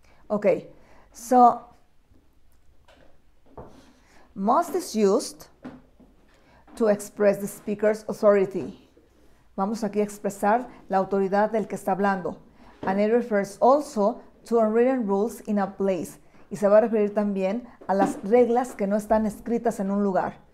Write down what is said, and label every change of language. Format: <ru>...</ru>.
<en>Okay, so must is used to express the speaker's authority.</en> <es>Vamos aquí a expresar la autoridad del que está hablando.</es> <en>And it refers also to unwritten rules in a place.</en> <es>Y se va a referir también a las reglas que no están escritas en un lugar.</es>